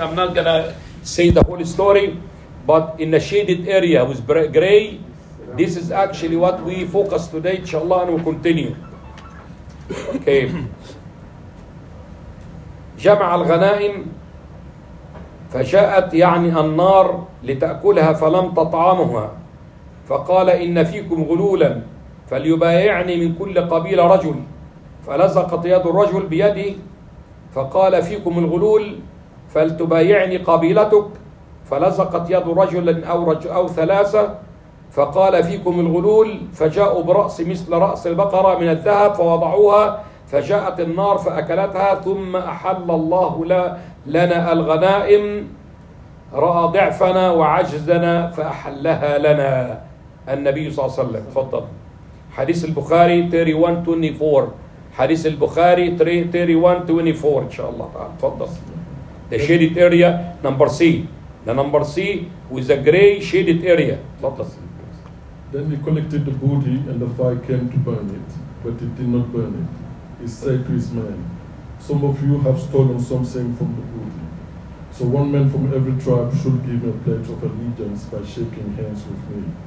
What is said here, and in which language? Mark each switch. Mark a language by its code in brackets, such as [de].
[en] I'm not gonna say the whole story, but in a shaded area with gray, this is actually what we focus today, inshallah, and we'll continue. Okay. [ar] جمع الغنائم فجاءت يعني النار لتأكلها فلم تطعمها فقال إن فيكم غلولا فليبايعني من كل قبيلة رجل فلزقت يد الرجل بيده فقال فيكم الغلول فلتبايعني قبيلتك فلزقت يد رجل أو ثلاثة فقال فيكم الغلول فجاءوا برأس مثل رأس البقرة من الذهب فوضعوها فجاءت النار فأكلتها ثم أحل الله لنا الغنائم رأى ضعفنا وعجزنا فأحلها لنا النبي صلى الله عليه وسلم. تفضل. حديث البخاري 3124. حديث البخاري 3124 إن شاء الله تعالى. تفضل. [en] The shaded area number C. The number C with a gray shaded area. [ar] تفضل. [en] Then he collected the booty and the fire came to burn it, but it did not burn it. He said to his men, some of you have stolen something from the booty. So one man from every tribe should give me a pledge of allegiance by shaking hands with me.